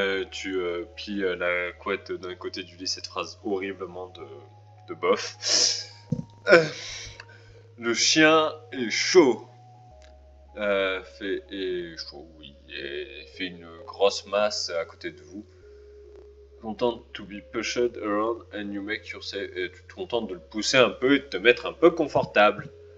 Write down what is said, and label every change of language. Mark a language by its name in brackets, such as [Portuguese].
[French] Tu plies la couette d'un côté du lit, cette phrase horriblement de bof. Le chien est chaud. Est chaud, oui. Et fait une grosse masse à côté de vous. [English] Content to be pushed around and you make yourself. [French] Et tu te contentes de le pousser un peu et de te mettre un peu confortable.